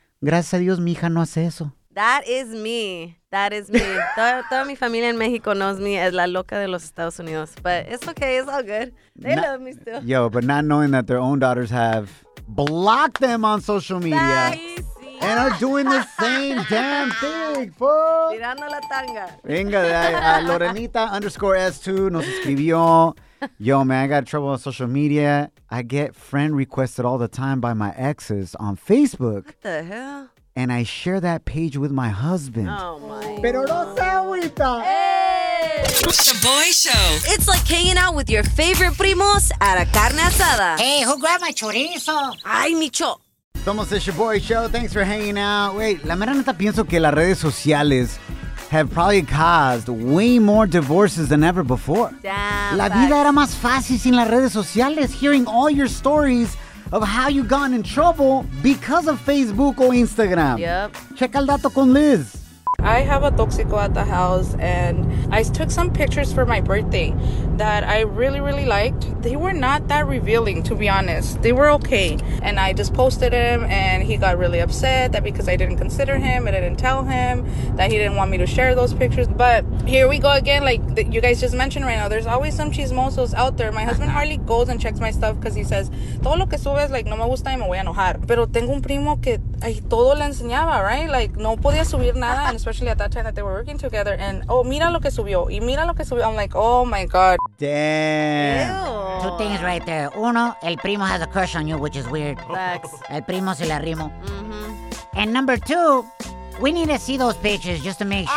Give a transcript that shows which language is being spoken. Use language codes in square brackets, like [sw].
[es] Gracias a Dios, mi hija no hace eso. [en] That is me. That is me. [es] toda mi familia en México [en] knows me as [es] la loca de los Estados Unidos. [en] But it's okay. It's all good. They love me still. Yo, but not knowing that their own daughters have blocked them on social media. And are doing the same damn thing, fool. [es] Tirando la tanga. Venga, Lorenita _S2 nos escribió. [en] Yo, man, I got trouble on social media. I get friend requested all the time by my exes on Facebook. What the hell? And I share that page with my husband. Oh, my. [es] Pero no se agüita. [en] Hey! It's a boy show. It's like hanging out with your favorite primos at a carne asada. Hey, who grabbed my chorizo? [es] Ay, Micho. [en] Somos the Shaboy Show. Thanks for hanging out. Wait, [es] la mera neta pienso que las redes sociales [en] have probably caused way more divorces than ever before. Damn. [es] La vida era más fácil sin las redes sociales. [en] Hearing all your stories of how you got in trouble because of Facebook or Instagram. Yep. [es] Check el dato con Liz. [en] I have a toxico at the house, and I took some pictures for my birthday that I really, really liked. They were not that revealing, to be honest. They were okay. And I just posted him, and he got really upset that because I didn't consider him and I didn't tell him that he didn't want me to share those pictures. But here we go again. Like you guys just mentioned right now, there's always some chismosos out there. My husband hardly goes and checks my stuff because he says, [es] todo lo que subes, [en] like, [es] no me gusta y me voy a enojar. Pero tengo un primo que ahí todo le enseñaba, right? Like, no podía subir nada. [en] And especially at that time that they were working together. [es] And, oh, mira lo que subió. Y mira lo que subió. [en] I'm like, oh, my God. Damn. Ew. Two things right there. [es] Uno, el primo [en] has a crush on you, which is weird. Facts. [es] El primo se le arrimo. Mm-hmm. [en] And number two, we need to see those pictures just to make sure.